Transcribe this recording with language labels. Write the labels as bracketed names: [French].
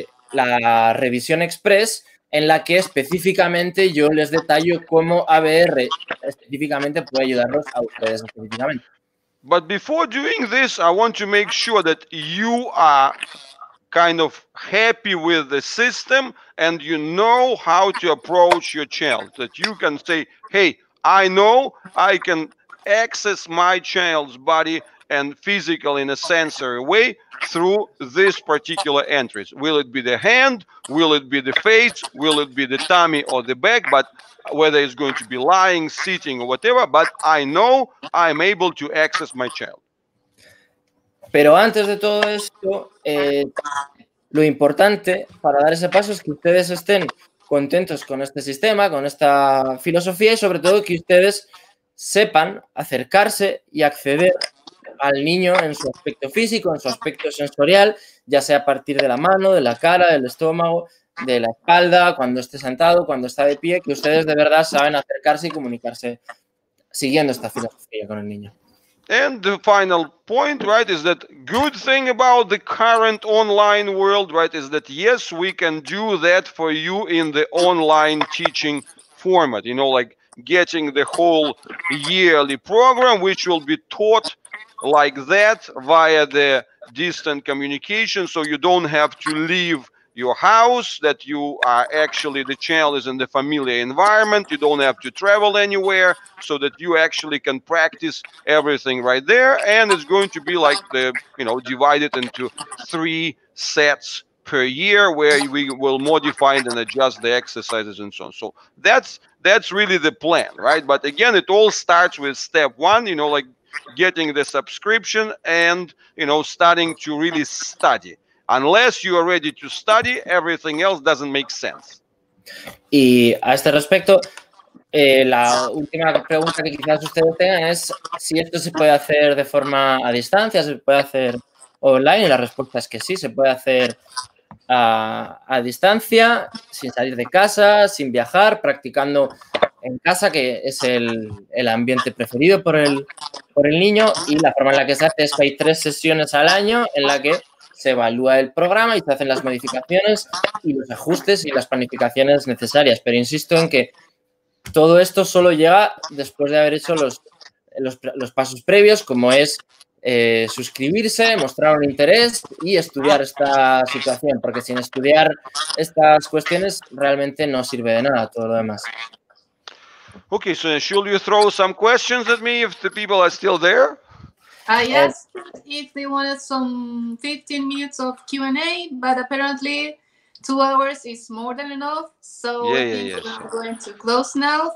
[Spanish] la revisión express, en la que específicamente yo les detallo cómo ABR específicamente puede ayudarlos a ustedes específicamente. [English] But before doing this, I want to make sure that you are kind of happy with the system and you know how to approach your child. That you can say, hey, I know I can access my child's body and physical in a sensory way through this particular entries. Will it be the hand? Will it be the face? Will it be the tummy or the back? But whether it's going to be lying, sitting or whatever, but I know I'm able to access my child. [Spanish] Pero antes de todo esto, lo importante para dar ese paso es que ustedes estén contentos con este sistema, con esta filosofía y sobre todo que ustedes sepan acercarse y acceder al niño en su aspecto físico, en su aspecto sensorial, ya sea a partir de la mano, de la cara, del estómago, de la espalda, cuando esté sentado, cuando está de pie, que ustedes de verdad saben acercarse y comunicarse siguiendo esta filosofía con el niño. [English] And the final point, right, is that good thing about the current online world, right, is that yes, we can do that for you in the online teaching format, you know, like getting the whole yearly program, which will be taught like that via the distant communication, so you don't have to leave your house, that you are actually, the child is in the familiar environment, you don't have to travel anywhere, so that you actually can practice everything right there, and it's going to be like the, you know, divided into 3 sets per year, where we will modify and adjust the exercises and so on. So that's really the plan, right? But again, it all starts with step one, you know, like getting the subscription and, you know, starting to really study. Unless you are ready to study, everything else doesn't make sense. [Spanish] Y a este respecto, la última pregunta que quizás ustedes tengan es si esto se puede hacer de forma a distancia, se puede hacer online. Y la respuesta es que sí, se puede hacer a distancia, sin salir de casa, sin viajar, practicando en casa, que es el ambiente preferido por el niño, y la forma en la que se hace es que hay 3 sesiones al año en la que se evalúa el programa y se hacen las modificaciones y los ajustes y las planificaciones necesarias. Pero insisto en que todo esto solo llega después de haber hecho los pasos previos, como es suscribirse, mostrar un interés y estudiar esta situación, porque sin estudiar estas cuestiones realmente no sirve de nada todo lo demás. [English] Okay, so should you throw some questions at me if the people are still there? Yes, if they wanted some 15 minutes of Q&A, but apparently 2 hours is more than enough. So I think we're going to close now.